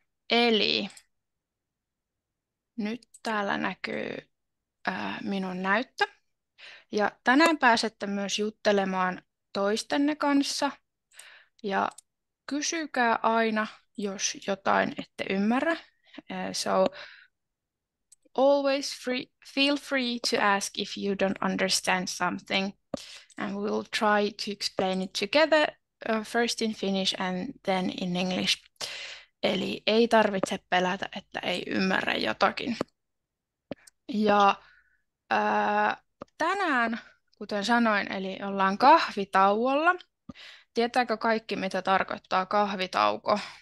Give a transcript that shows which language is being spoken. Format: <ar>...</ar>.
<fi>Eli nyt täällä näkyy minun näyttö. Ja tänään pääsette myös juttelemaan toistenne kanssa. Ja kysykää aina, jos jotain ette ymmärrä.</fi> <en>So, always free, feel free to ask if you don't understand something. And we'll try to explain it together, first in Finnish and then in English.</en> <fi>Eli ei tarvitse pelätä, että ei ymmärrä jotakin. Ja tänään, kuten sanoin, eli ollaan kahvitauolla. Tietääkö kaikki, mitä tarkoittaa kahvitauko?</fi>